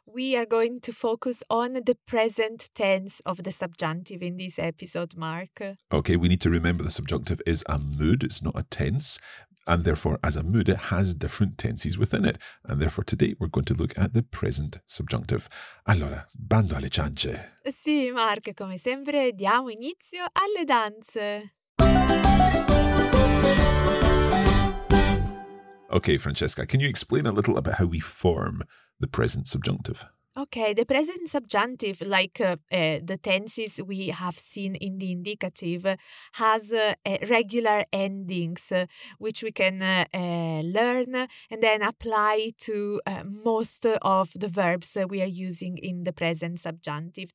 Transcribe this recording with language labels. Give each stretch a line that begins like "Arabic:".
English: We are going to focus on the present tense of the subjunctive in this episode, Mark. Okay, we need to remember the subjunctive is a mood, it's not a tense. And therefore, as a mood, it has different tenses within it. And therefore, today we're going to look at the present subjunctive.
Italian: Allora, bando alle ciance. Sì, Mark, come sempre, diamo inizio alle danze.
English: Okay, Francesca, can you explain a little about how we form the present subjunctive? Okay, the present subjunctive, like the tenses we have seen in the indicative, has regular endings, which we can learn and then apply to most of the verbs we are using in the present subjunctive.